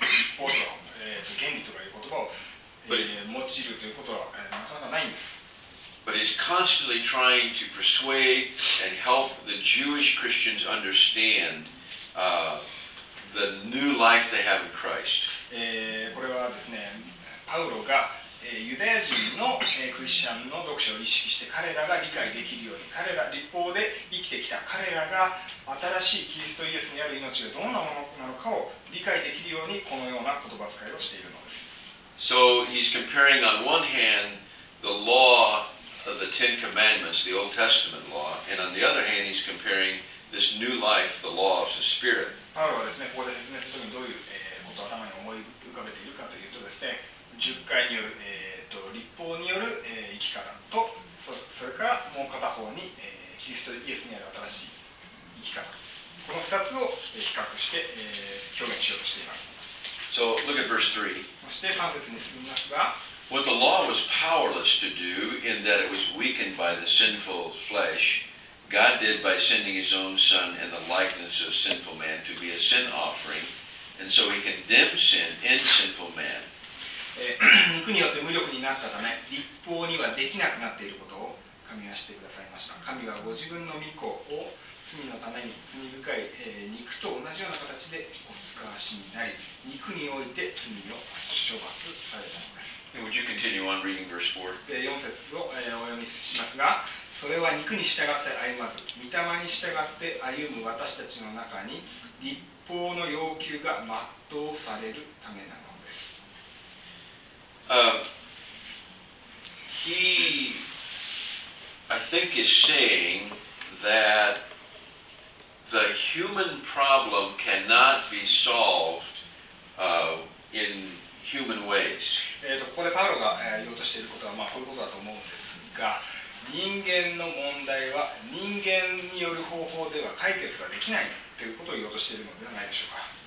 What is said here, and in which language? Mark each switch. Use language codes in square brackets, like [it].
[ja] 一方では原理とかいう言葉を用いるということは、なかなかないんです。 [en] But he's constantly trying to persuade and help the Jewish Christians understand the new life they have in Christ. [ja] これはですね、パウロが、ユダヤ人の、クリスチャンの読者を意識して彼らが理解できるように、彼ら律法で生きてきた彼らが新しいキリストイエスにある命がどんなものなのかを理解できるようにこのような言葉遣いをしているのです。 [en] So he's comparing on one hand the law of the Ten Commandments, the Old Testament law, and on the other hand he's comparing this new life, the law of the Spirit. [ja] パウロはですね、ここで説明するときにどういうことを頭に思い浮かべているかというとですね、10回による、立法による、生き方と それからもう片方に、キリストイエスにある新しい生き方、この2つを比較して、表現しようとしています。 [en] So, look at verse 3. [ja] そして3節に進みますが、 [en] What the law was powerless to do in that it was weakened by the sinful flesh, God did by sending his own son in the likeness of sinful man to be a sin offering, and so he condemned sin in sinful man. [ja] 肉によって無力になったため、立法にはできなくなっていることを神はしてくださいました。神はご自分の御子を罪のために罪深い、肉と同じような形でお使わしになり、肉において罪を処罰されたのです。 [en] Would you continue on reading verse 4? [ja] で、4節を、お読みしますが、それは肉に従って歩まず、御霊に従って歩む私たちの中に、立法の要求が全うされるためなのです。 [en] He, I think, is saying that the human problem cannot be solved in human ways. [ja] ここでパウロが言おうとしていることは、まあ、こういうことだと思うんですが、人間の問題は人間による方法では解決ができないということを言おうとしているのではないでしょうか。